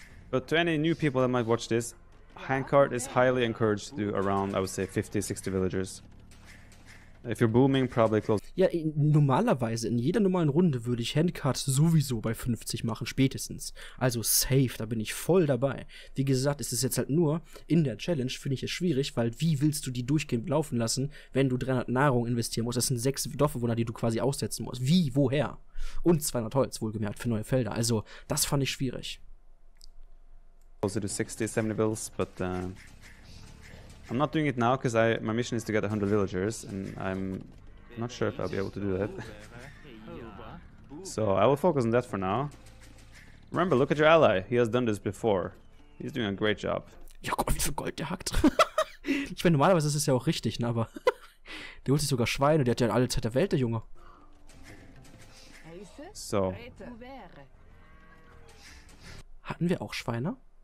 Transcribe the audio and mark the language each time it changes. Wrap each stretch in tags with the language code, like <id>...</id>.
<en>But to any new people that might watch this, handcart is highly encouraged to do around, I would say, 50, 60 villagers. If you're booming, probably close.</en> <de>Ja, normalerweise, in jeder normalen Runde würde ich Handcart sowieso bei 50 machen, spätestens. Also safe, da bin ich voll dabei. Wie gesagt, es ist jetzt halt nur, in der Challenge finde ich es schwierig, weil wie willst du die durchgehend laufen lassen, wenn du 300 Nahrung investieren musst? Das sind 6 Dorfbewohner, die du quasi aussetzen musst. Wie, woher? Und 200 Holz, wohlgemerkt, für neue Felder. Also, das fand ich schwierig.</de> <en>Also to 60, 70 bills, but... I'm not doing it now because my mission is to get 100 villagers and I'm not sure if I'll be able to do that. So I will focus on that for now. Remember, look at your ally. He has done this before. He's doing a great job.</en> <de>Ja, guck mal, wie viel Gold der hackt. Ich meine, normalerweise ist es ja auch richtig, ne? Aber der holt sich sogar Schweine, der hat ja alle Zeit der Welt, der Junge. So. Hatten wir auch Schweine?</de>